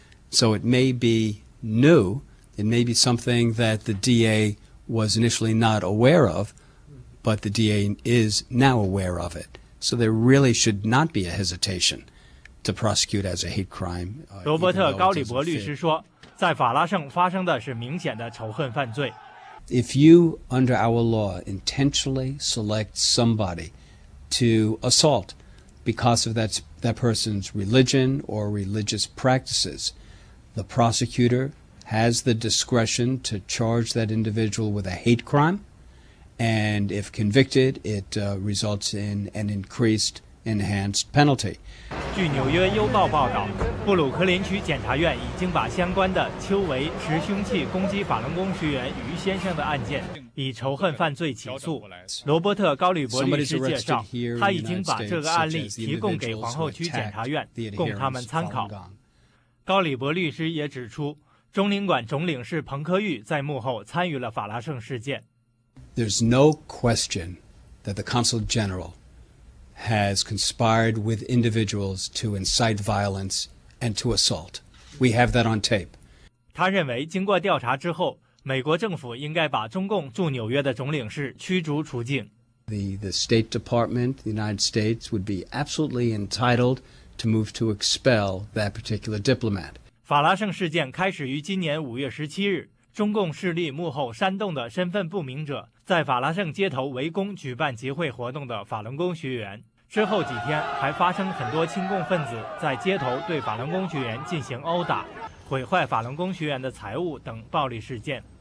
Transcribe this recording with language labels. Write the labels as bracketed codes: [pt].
[en] So it may be new, it may be something that the DA was initially not aware of, but the DA is now aware of it. So there really should not be a hesitation to prosecute as a hate crime. [zh] 罗伯特·高里伯律师说，在法拉盛发生的是明显的仇恨犯罪。 [en] If you, under our law, intentionally select somebody to assault because of that person's religion or religious practices,The prosecutor has the discretion to charge that individual with a hate crime, and if convicted, it results in an increased, enhanced penalty. [zh] 据纽约邮报报道，布鲁克林区检察院已经把相关的邱维持凶器攻击法轮功学员于先生的案件以仇恨犯罪起诉。罗伯特·高吕伯律师介绍，他已经把这个案例提供给皇后区检察院，供他们参考。高里伯律师也指出，中领馆总领事彭科玉在幕后参与了法拉盛事件。 [en] There's no question that the Consul General has conspired with individuals to incite violence and to assault. We have that on tape. [zh] 他认为，经过调查之后，美国政府应该把中共驻纽约的总领事驱逐出境。 [en] The State Department, the United States, would be absolutely entitled. To move to expel that particular diplomat. [zh] 法拉盛事件开始于今年五月十七日，中共势力幕后煽动的身份不明者在法拉盛街头围攻举办集会活动的法轮功学员。之后几天还发生很多亲共分子在街头对法轮功学员进行殴打、毁坏法轮功学员的财物等暴力事件。